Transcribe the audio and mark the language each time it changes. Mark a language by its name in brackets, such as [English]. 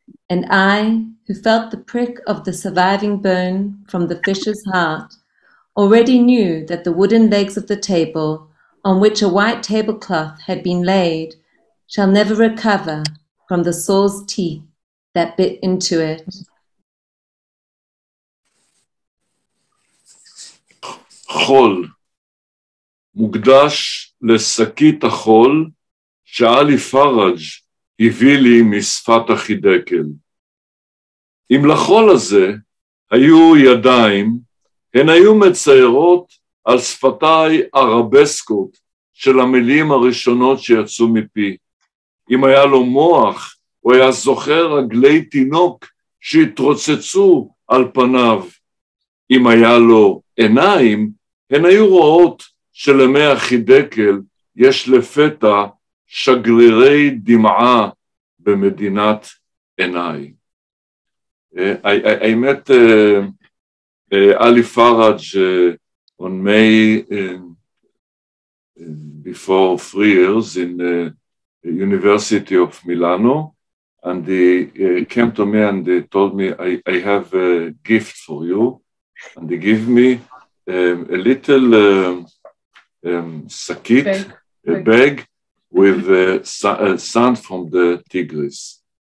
[English] And I, who felt the prick of the surviving bone from the fish's heart, already knew that the wooden legs of the table on which a white tablecloth had been laid shall never recover from the saw's teeth that bit into it. [Hebrew] חול מוקדש לסקית החול שאלי פרג' הביא לי משפת החידקל. אם לחול הזה היו ידיים, הן היו מציירות על שפתיי ארבסקות של המילים הראשונות שיצאו מפי. אם היה לו מוח, הוא היה זוכר רגלי תינוק שהתרוצצו על פניו. אם היה לו עיניים, הן היו רואות שלמי החידקל יש לפתע שגרירי דמעה במדינת עיניי. [English] האמת, אלי פרג' on May before 3 years in the University of Milano, and he came to me and he told me, I have a gift for you, and he gave me a little sakit, a bag with sand from the Tigris.